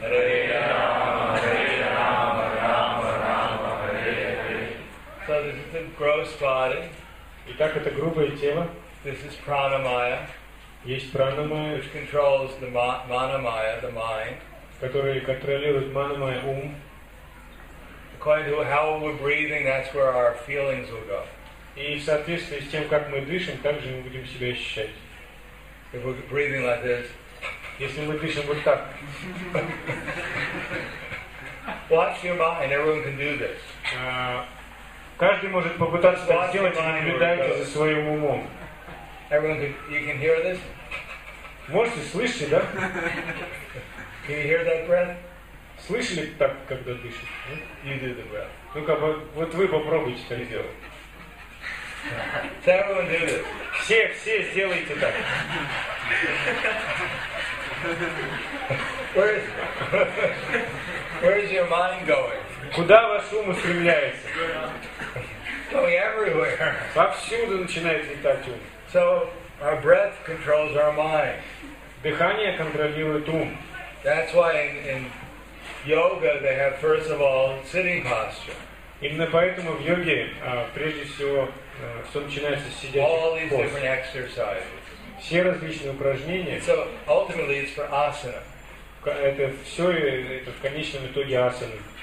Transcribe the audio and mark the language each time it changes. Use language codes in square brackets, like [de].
[sa] Hare Rama. Hare Rama. Rama Rama. Hare Hare. [en] So this is the gross body. [ru] Итак, это грубое тело. [en] This is pranamaya. [ru] есть пранамая, [en] which controls the manamaya, the mind, [ru] который контролирует манамая, ум. [en] According to how we're breathing, that's where our feelings will go. [ru] И в соответствии с тем, как мы дышим, так же мы будем себя ощущать. [en] If we're breathing like this, [ru] если мы дышим вот так. [en] Watch your mind. Everyone can do this. [ru] Каждый может попытаться так сделать, наблюдайте за своим умом. [en] Everyone, can, you can hear this? [ru] Можете слышите, да? [en] Can you hear that breath? [ru] Слышали так, когда дышит? [en] You do the breath. [ru] Ну-ка, вот вы попробуйте так сделать. [en] So everyone do this. [ru] Все сделайте так. [en] Where is your mind going? [ru] Куда ваш ум устремляется? [en] Going everywhere. [ru] Повсюду начинает летать ум. [en] So our breath controls our mind. [ru] Дыхание контролирует ум. [en] That's why in yoga they have first of all sitting posture. [ru] Именно поэтому в йоге прежде всего все начинается с сидячих поз. [en] Different exercises. [ru] Все различные упражнения. [en] So ultimately it's for asana. [ru] Это все это в конечном итоге асаны.